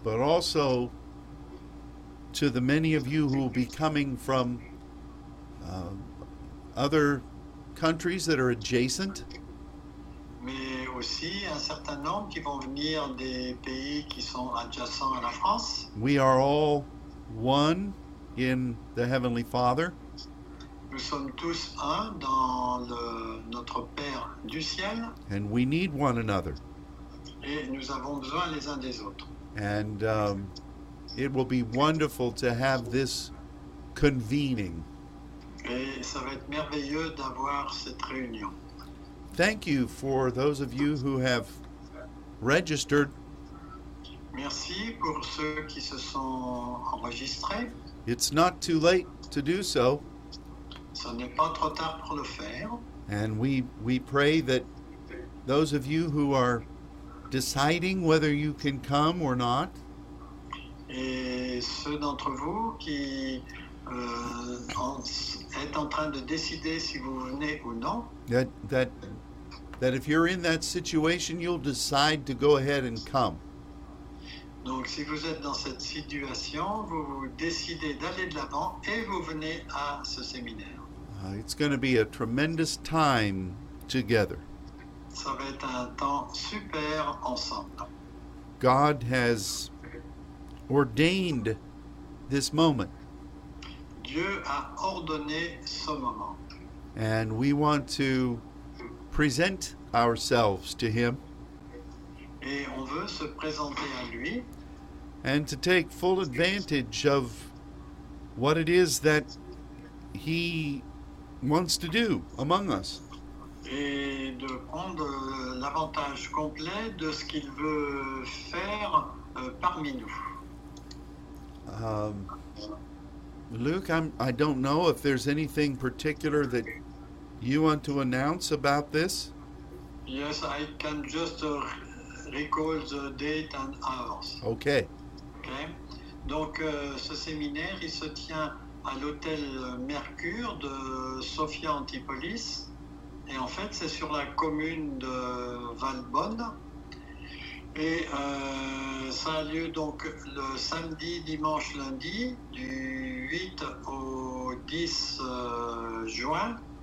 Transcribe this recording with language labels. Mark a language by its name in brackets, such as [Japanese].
[English] But also to the many of you who will be coming from other countries that are adjacent. [French] Mais aussi un certain nombre qui vont venir des pays qui sont adjacents à la France. [English] We are all one in the Heavenly Father. [French] Nous sommes tous un dans notre Père du Ciel. [English] And we need one another. [French] Et nous avons besoin les uns des autres. [English] And it will be wonderful to have this convening. [French] Et ça va être merveilleux d'avoir cette réunion. [English] Thank you for those of you who have registered. [French] Merci pour ceux qui se sont enregistrés. [English] It's not too late to do so. [French] Ce n'est pas trop tard pour le faire. [English] And we pray that those of you who are deciding whether you can come or not. [French] Et ceux d'entre vous qui est en train de décider si vous venez ou non. [English] That if you're in that situation, you'll decide to go ahead and come. [French] Donc, si vous êtes dans cette situation, vous décidez d'aller de l'avant et vous venez à ce séminaire. [English] It's going to be a tremendous time together. [French] Ça va être un temps super ensemble. [English] God has ordained this moment. [French] Dieu a ordonné ce moment. [English] And we want to present ourselves to Him. [French] Et on veut se présenter à lui. [English] And to take full advantage of what it is that He wants to do among us. [French] Et de prendre l'avantage complet de ce qu'il veut faire parmi nous. [English] Luke, I don't know if there's anything particular that you want to announce about this. Yes, I can just recall the date and hours. Okay. Okay. [French] Donc, ce séminaire, il se tient à l'hôtel Mercure de Sophia Antipolis. Et en fait, c'est sur la commune de Valbonne. Et ça a lieu donc le samedi, dimanche, lundi, du 8 au 10 juin.